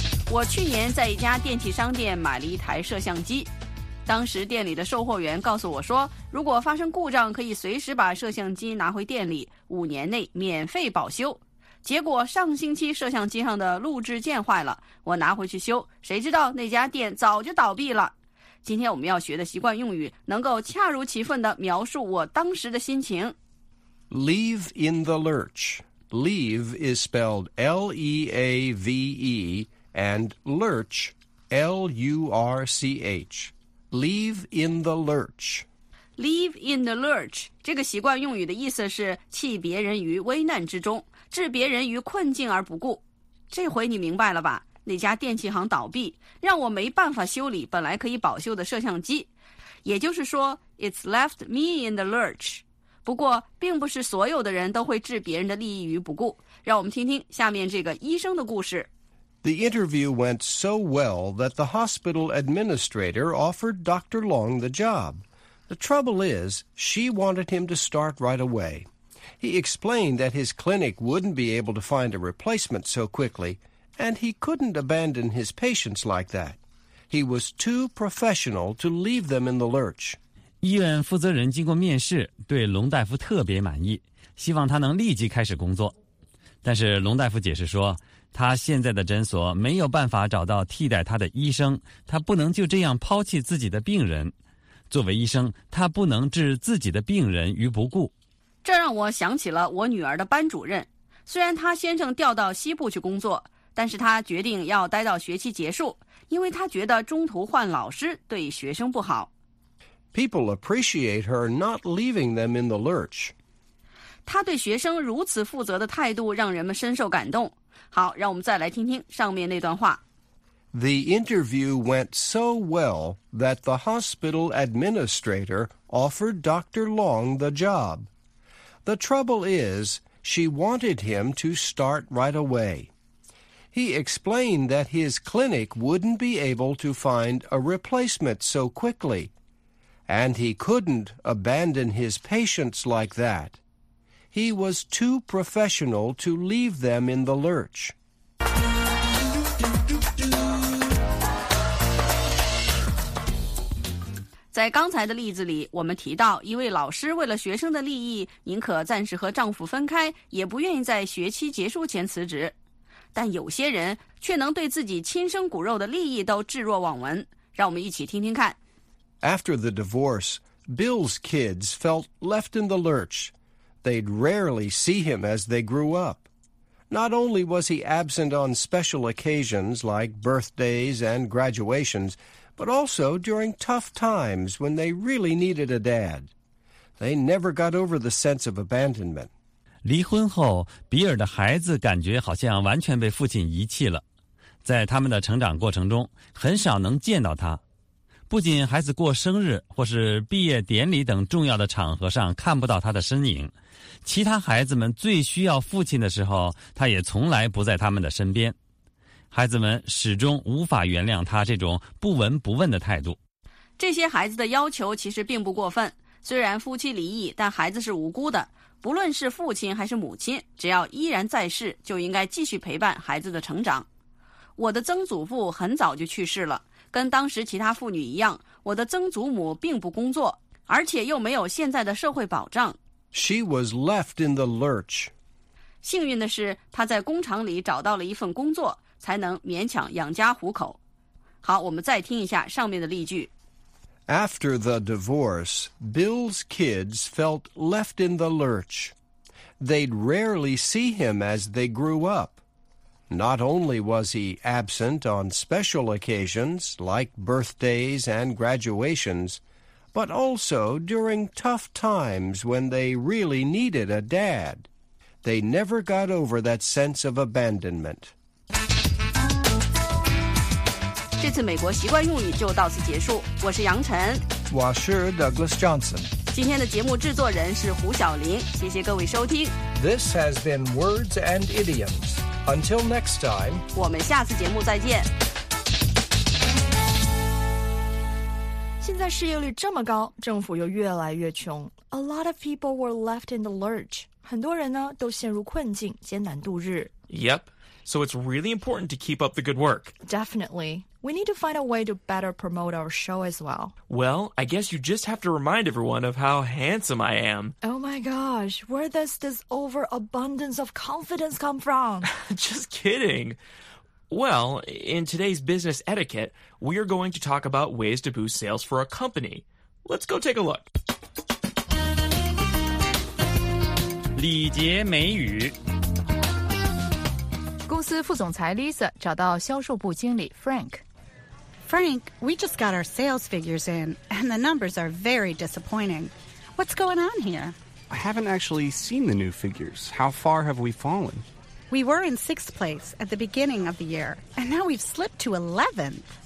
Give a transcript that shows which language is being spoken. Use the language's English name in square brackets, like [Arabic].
[Chinese] 我去年在一家电器商店买了一台摄像机当时店里的售货员告诉我说如果发生故障可以随时把摄像机拿回店里五年内免费保修结果上星期摄像机上的录制键坏了我拿回去修谁知道那家店早就倒闭了今天我们要学的习惯用语能够恰如其分地描述我当时的心情 [English] Leave in the lurch Leave is spelled L-E-A-V-E and lurch L-U-R-C-H Leave in the lurch Leave in the lurch [Chinese] 这个习惯用语的意思是弃别人于危难之中置别人于困境而不顾这回你明白了吧那家电器行倒闭让我没办法修理本来可以保修的摄像机也就是说 [English] It's left me in the lurch [Chinese] 不过并不是所有的人都会置别人的利益于不顾让我们听听下面这个医生的故事 [English] The interview went so well that the hospital administrator offered Dr. Long the job. The trouble is, she wanted him to start right away. He explained that his clinic wouldn't be able to find a replacement so quickly, and he couldn't abandon his patients like that. He was too professional to leave them in the lurch. [Chinese] 医院负责人经过面试，对龙大夫特别满意，希望他能立即开始工作。但是龙大夫解释说，他现在的诊所没有办法找到替代他的医生，他不能就这样抛弃自己的病人。作为医生，他不能置自己的病人于不顾。这让我想起了我女儿的班主任。虽然他先生调到西部去工作，但是他决定要待到学期结束，因为他觉得中途换老师对学生不好。 [English] People appreciate her not leaving them in the lurch. [Chinese] 她对学生如此负责的态度让人们深受感动。好，让我们再来听听上面那段话。 [English] The interview went so well that the hospital administrator offered Dr. Long the job. The trouble is, she wanted him to start right away. He explained that his clinic wouldn't be able to find a replacement so quickly, and he couldn't abandon his patients like that. He was too professional to leave them in the lurch. [Chinese] 在刚才的例子里，我们提到一位老师为了学生的利益，宁可暂时和丈夫分开，也不愿意在学期结束前辞职。但有些人却能对自己亲生骨肉的利益都置若罔闻。让我们一起听听看。 [English] After the divorce, Bill's kids felt left in the lurch. They'd rarely see him as they grew up. Not only was he absent on special occasions like birthdays and graduations,but also during tough times when they really needed a dad. They never got over the sense of abandonment. [Chinese] 离婚后，比尔的孩子感觉好像完全被父亲遗弃了。在他们的成长过程中，很少能见到他。不仅孩子过生日或是毕业典礼等重要的场合上看不到他的身影，其他孩子们最需要父亲的时候，他也从来不在他们的身边。孩子们始终无法原谅他这种不闻不问的态度。这些孩子的要求其实并不过分，虽然夫妻离异，但孩子是无辜的。不论是父亲还是母亲，只要依然在世，就应该继续陪伴孩子的成长。我的曾祖父很早就去世了，跟当时其他妇女一样，我的曾祖母并不工作，而且又没有现在的社会保障。 [English] She was left in the lurch. [Chinese] 幸运的是，她在工厂里找到了一份工作，才能勉强养家糊口。好，我们再听一下上面的例句。 [English] After the divorce, Bill's kids felt left in the lurch. They'd rarely see him as they grew up. Not only was he absent on special occasions, like birthdays and graduations, but also during tough times when they really needed a dad. They never got over that sense of abandonment. [Chinese] 这次美国习惯用语就到此结束。我是杨晨，我是 Douglas Johnson。今天的节目制作人是胡晓玲，谢谢各位收听。 [English] This has been Words and Idioms. Until next time, [Chinese] 我们下次节目再见。现在失业率这么高，政府又越来越穷。 [English] A lot of people were left in the lurch. [Chinese] 很多人呢都陷入困境，艰难度日。 [English] Yep. So it's really important to keep up the good work. Definitely. We need to find a way to better promote our show as well. Well, I guess you just have to remind everyone of how handsome I am. Oh my gosh, where does this overabundance of confidence come from? Just kidding. Well, in today's business etiquette, we are going to talk about ways to boost sales for a company. Let's go take a look. [Chinese] 礼节美语公司副总裁 Lisa 找到销售部经理 Frank。 [English] Frank, we just got our sales figures in, and the numbers are very disappointing. What's going on here? I haven't actually seen the new figures. How far have we fallen? We were in sixth place at the beginning of the year, and now we've slipped to 11th.